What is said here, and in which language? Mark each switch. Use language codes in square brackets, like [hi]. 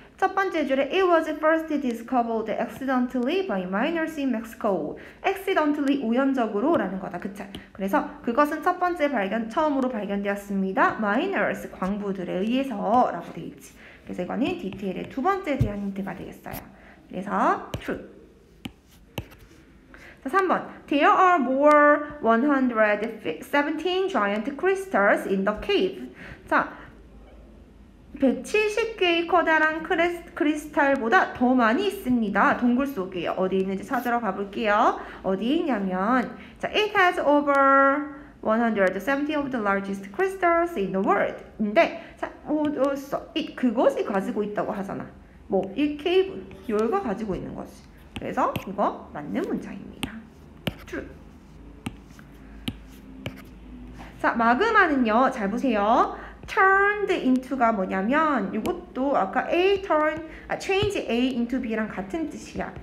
[ko] 첫 번째 줄에 [en] It was first discovered accidentally by miners in Mexico. [ko] Accidentally, 우연적으로 라는 거다. 그쵸? 그래서 그것은 첫 번째 발견, 처음으로 발견되었습니다. Miners, 광부들에 의해서 라고 돼 있지. 그래서 이거는 디테일의 두 번째에 대한 힌트가 되겠어요. 그래서 True. 자, 3번. [en] There are more 117 giant crystals in the cave. [ko] 자, 170개의 커다란 크리스탈보다 더 많이 있습니다. 동굴 속에 어디 있는지 찾으러 가볼게요. 어디 있냐면, 자, [en] it has over 170 of the largest crystals in the world. [ko] 근데, 자, 어디서? It, 그곳이 가지고 있다고 하잖아. 뭐, 이 cave, 여기가 가지고 있는 거지. 그래서 이거 맞는 문장입니다. 자, 마그마는요, 잘 보세요. turned into가 뭐냐면, 이것도 아까 A turn, 아, change A into B랑 같은 뜻이야.